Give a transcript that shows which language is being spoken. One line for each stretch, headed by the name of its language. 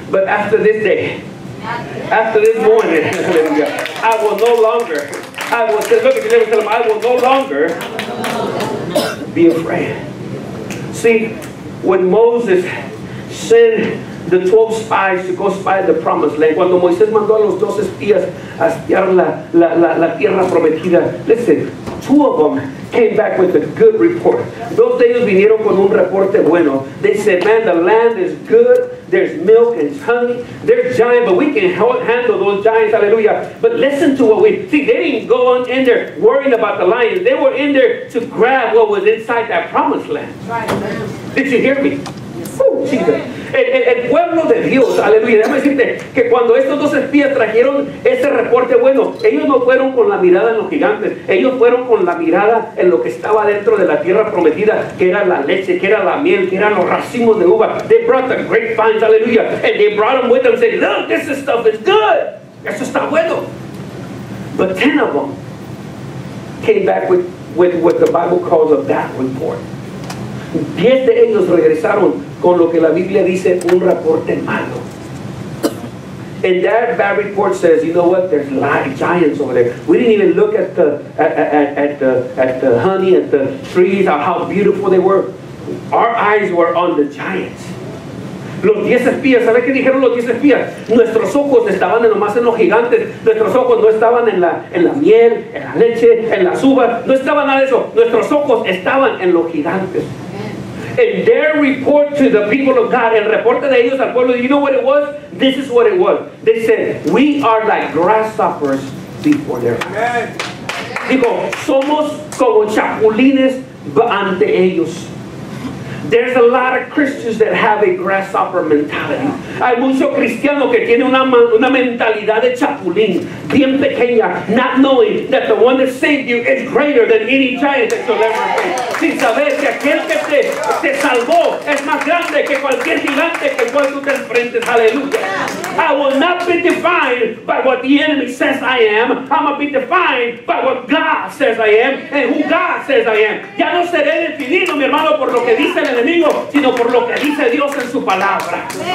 English: But after this day, after this morning, I will no longer, I will say, look at your neighbor, tell them, I will no longer be afraid. See, when Moses sent the 12 spies to go spy the promised land,
Spanish: cuando Moisés mandó a los 12 espías a espiar la tierra prometida,
English: listen, two of them came back with a good report.
Spanish: Dos de ellos vinieron con un reporte bueno.
English: They said, man, the land is good. There's milk and honey. There's giants, but we can handle those giants. Hallelujah. But listen to what we see. They didn't go on in there worrying about the lions. They were in there to grab what was inside that promised land. Did you hear me? Oh, Jesus.
Spanish: El pueblo de Dios, aleluya, déjame decirte que cuando estos dos espías trajeron ese reporte bueno, ellos no fueron con la mirada en los gigantes, ellos fueron con la mirada en lo que estaba dentro de la tierra prometida, que era la leche, que era la miel, que eran los racimos de uva.
English: They brought the grapevines, aleluya, and they brought them with them and said, look, this stuff is good.
Spanish: Eso está bueno.
English: But 10 of them came back with what the Bible calls a bad report.
Spanish: 10 de ellos regresaron con lo que la Biblia dice, un reporte malo.
English: And that bad report says, you know what, there's live giants over there. We didn't even look at the honey, at the trees, or how beautiful they were. Our eyes were on the giants.
Spanish: Los 10 espías, ¿sabes qué dijeron los 10 espías? Nuestros ojos estaban nomás en los gigantes. Nuestros ojos no estaban en la miel, en la leche, en las uvas. No estaba nada de eso. Nuestros ojos estaban en los gigantes.
English: And their report to the people of God,
Spanish: el reporte de ellos al pueblo,
English: you know what it was? This is what it was. They said, we are like grasshoppers before their eyes. Amen.
Spanish: Digo, somos como chapulines ante ellos.
English: There's a lot of Christians that have a grasshopper mentality.
Spanish: Hay mucho cristiano que tiene una mentalidad de chapulín, bien pequeña,
English: not knowing that the one that saved you is greater than any giant that you'll ever face.
Spanish: Sin saber que aquel que te salvó es más grande que cualquier gigante que tú te enfrentes.
English: Hallelujah. I will not be defined by what the enemy says I am. I'm going to be defined by what God says I am and who God says I am.
Spanish: Ya no seré definido, mi hermano, por lo que dice el enemigo, sino por lo que dice Dios en su palabra.